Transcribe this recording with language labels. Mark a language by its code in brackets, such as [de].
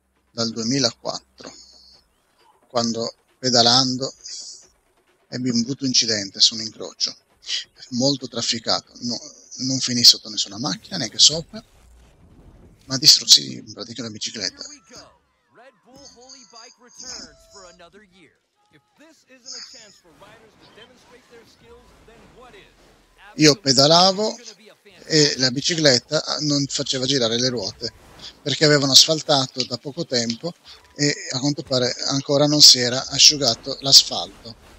[it] Dal 2004, quando pedalando ebbi un brutto incidente su un incrocio molto trafficato. No, non finì sotto nessuna macchina, neanche sopra, ma distrussi in pratica la bicicletta. [en] Red Bull Holy Bike returns for another year. If this isn't a chance for riders to demonstrate their skills, then what is? [it] Io pedalavo e la bicicletta non faceva girare le ruote perché avevano asfaltato da poco tempo e a quanto pare ancora non si era asciugato l'asfalto.